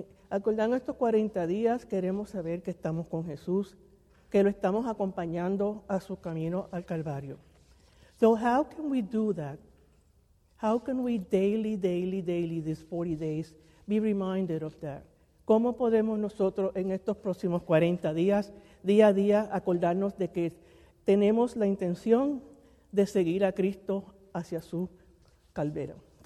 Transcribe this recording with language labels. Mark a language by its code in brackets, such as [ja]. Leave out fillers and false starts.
[es] Acordando estos 40 días, queremos saber que estamos con Jesús, que lo estamos acompañando a su camino al Calvario. [en] So how can we do that? How can we daily, these 40 days, be reminded of that? [es] ¿Cómo podemos nosotros en estos próximos 40 días, día a día, acordarnos de que tenemos la intención de seguir a Cristo hacia su Calvario?